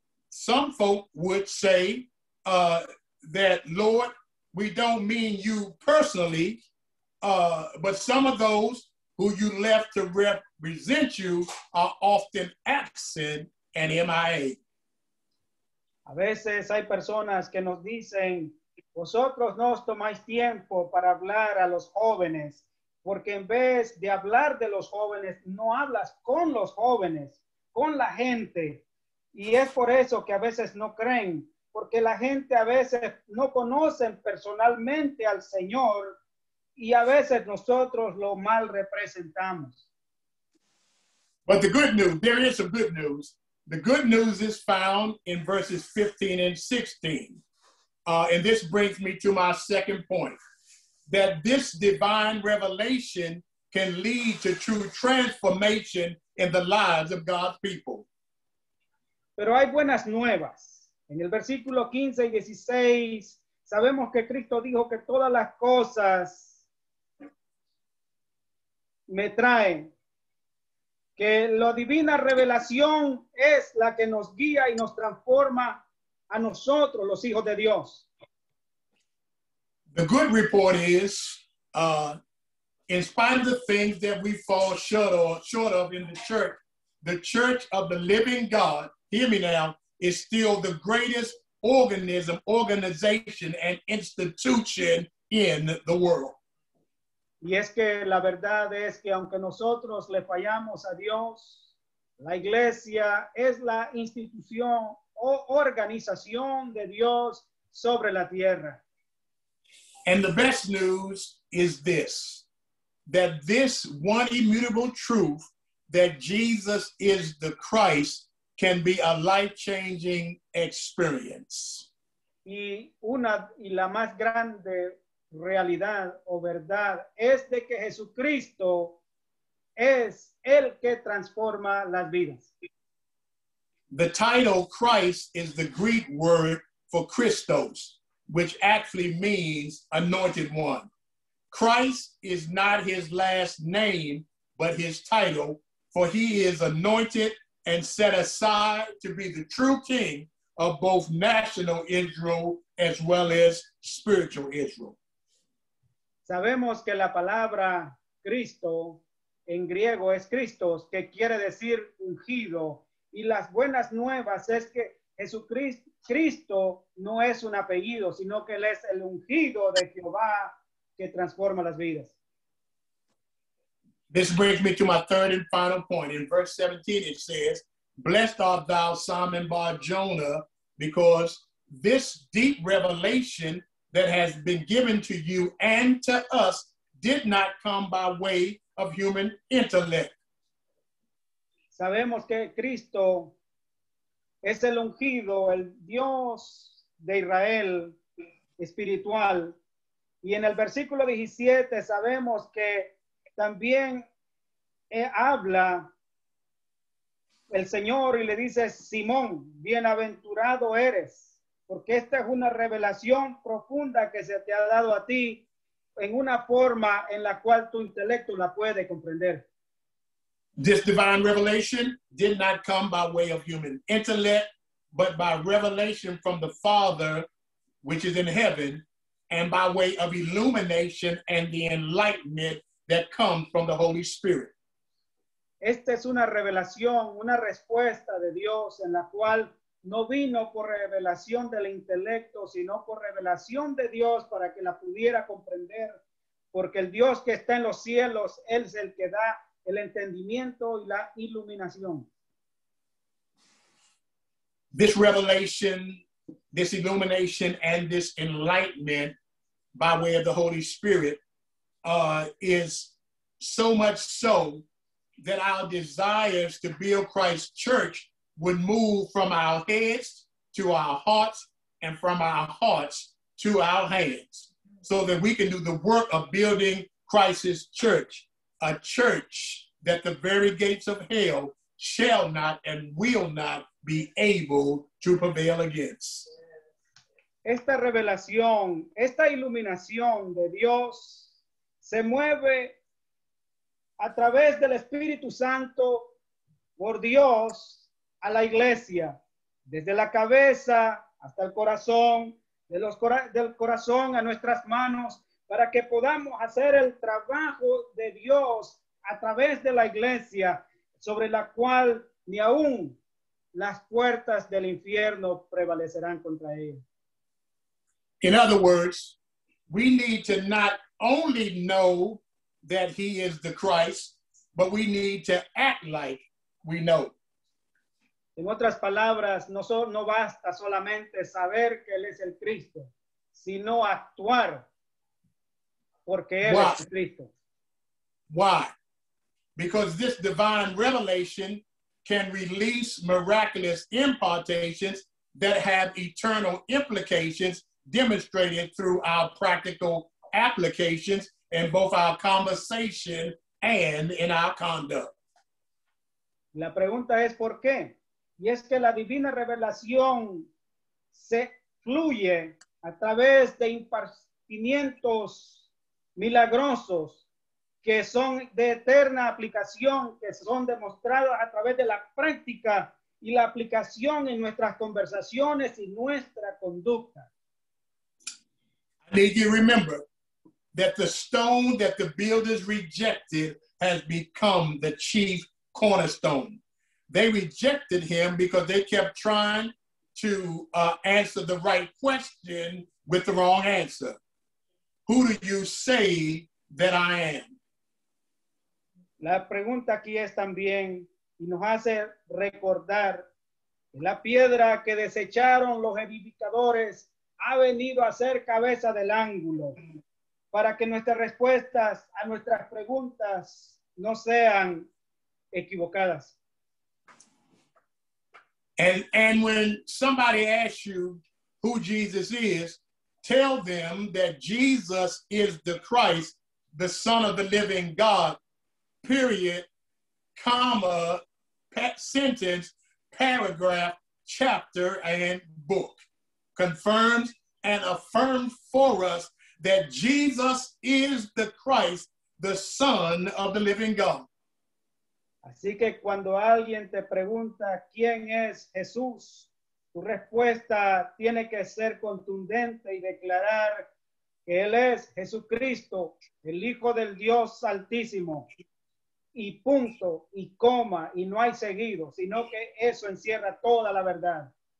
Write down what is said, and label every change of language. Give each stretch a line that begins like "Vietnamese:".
English: Some folk would say that, Lord, we don't mean you personally, but some of those who you left to represent you are often absent and MIA.
Spanish: A veces hay personas que nos dicen, vosotros no os tomáis tiempo para hablar a los jóvenes, porque en vez de hablar de los jóvenes, no hablas con los jóvenes, con la gente. Y es por eso que a veces no creen, porque la gente a veces no conocen personalmente al Señor y a veces nosotros lo mal representamos.
English: But the good news, there is some good news. The good news is found in verses 15 and 16. And this brings me to my second point, that this divine revelation can lead to true transformation in the lives of God's people.
Spanish: Pero hay buenas nuevas. En el versículo 15 y 16, sabemos que Cristo dijo que todas las cosas me traen. Que la divina revelación es la que nos guía y nos transforma a nosotros, los hijos de Dios.
English: The good report is, in spite of the things that we fall short of in the church of the living God, hear me now, is still the greatest organization and institution in the world.
Spanish: Y es que la verdad es que aunque nosotros le fallamos a Dios, la iglesia es la institución o organización de Dios sobre la tierra.
English: And the best news is this, that this one immutable truth that Jesus is the Christ can be a life-changing experience.
Spanish: Y la más grande realidad o verdad es de que Jesucristo es el que transforma las vidas.
English: The title Christ is the Greek word for Christos, which actually means anointed one. Christ is not his last name, but his title, for he is anointed and set aside to be the true king of both national Israel as well as spiritual Israel.
Spanish: Sabemos que la palabra Cristo en griego es Christos, que quiere decir ungido. Y las buenas nuevas es que Cristo no es un apellido, sino que él es el ungido de Jehová que transforma las vidas.
English: This brings me to my third and final point. In verse 17, it says, blessed art thou, Simon Bar-Jonah, because this deep revelation that has been given to you and to us did not come by way of human intellect.
Spanish: Sabemos que Cristo es el ungido, el Dios de Israel espiritual. Y en el versículo 17, sabemos que también habla el Señor y le dice, Simón, bienaventurado eres, porque esta es una revelación profunda que se te ha dado a ti en una forma en la cual tu intelecto la puede comprender.
English: This divine revelation did not come by way of human intellect, but by revelation from the Father, which is in heaven, and by way of illumination and the enlightenment that comes from the Holy Spirit.
Spanish: Esta es una revelación, una respuesta de Dios en la cual no vino por revelación del intelecto, sino por revelación de Dios para que la pudiera comprender, porque el Dios que está en los cielos, Él es el que da el entendimiento y la iluminación.
English: This revelation, this illumination, and this enlightenment by way of the Holy Spirit is so much so that our desires to build Christ's church would move from our heads to our hearts and from our hearts to our hands so that we can do the work of building Christ's church, a church that the very gates of hell shall not and will not be able to prevail against.
Spanish: Esta revelación, esta iluminación de Dios se mueve a través del Espíritu Santo por Dios a la iglesia, desde la cabeza hasta el corazón, del corazón a nuestras manos, para que podamos hacer el trabajo de Dios a través de la iglesia, sobre la cual ni aún las puertas del infierno prevalecerán contra ella.
English: In other words, we need to not only know that he is the Christ, but we need to act like we know.
Spanish: En otras palabras, no basta solamente saber que él es el Cristo, sino actuar porque él es el Cristo.
English: Why? Because this divine revelation can release miraculous impartations that have eternal implications demonstrated through our practical applications in both our conversation and in our conduct.
Spanish: La pregunta es por qué. Y es que la divina revelación se fluye a través de impartimientos milagrosos que son de eterna aplicación, que son demostrados a través de la práctica y la aplicación en nuestras conversaciones y nuestra conducta.
English: I need you to remember that the stone that the builders rejected has become the chief cornerstone. They rejected him because they kept trying to answer the right question with the wrong answer. Who do you say that I am?
Spanish: La pregunta aquí es también, y nos hace recordar, la piedra que desecharon los edificadores ha venido a ser cabeza del ángulo para que nuestras respuestas a nuestras preguntas no sean equivocadas.
English: And when somebody asks you who Jesus is, tell them that Jesus is the Christ, the Son of the living God, period, comma, sentence, paragraph, chapter, and book. Confirms and affirms for us that Jesus is the Christ, the Son of the living God.
Spanish: Así que cuando alguien te pregunta quién es Jesús, tu respuesta tiene que ser contundente y declarar que Él es Jesucristo, el Hijo del Dios Altísimo, y punto, y coma, y no hay seguido, sino que eso encierra toda la verdad.